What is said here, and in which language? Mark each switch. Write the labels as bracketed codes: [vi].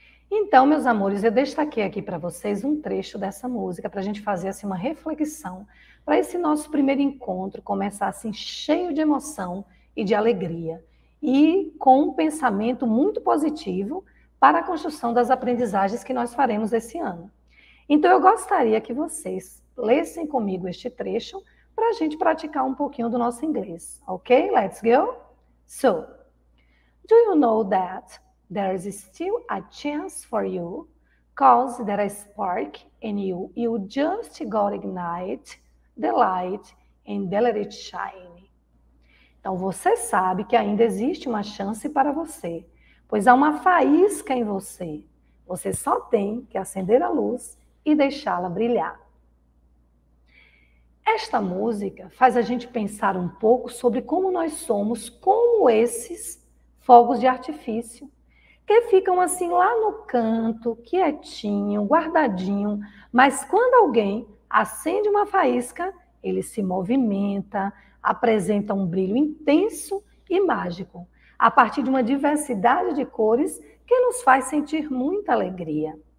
[pt] Então, meus amores, eu destaquei aqui para vocês um trecho dessa música para a gente fazer assim, uma reflexão para esse nosso primeiro encontro começar assim, cheio de emoção e de alegria. E com um pensamento muito positivo para a construção das aprendizagens que nós faremos esse ano. Então, eu gostaria que vocês lessem comigo este trecho para a gente praticar um pouquinho do nosso inglês. [en] Ok? Let's go. So, do you know that there is still a chance for you? Cause there is spark in you. You just gotta ignite the light and let it shine. [pt] Então, você sabe que ainda existe uma chance para você, pois há uma faísca em você. Você só tem que acender a luz e deixá-la brilhar. Esta música faz a gente pensar um pouco sobre como nós somos, como esses fogos de artifício, que ficam assim lá no canto, quietinho, guardadinho, mas quando alguém acende uma faísca, ele se movimenta, apresenta um brilho intenso e mágico, a partir de uma diversidade de cores que nos faz sentir muita alegria.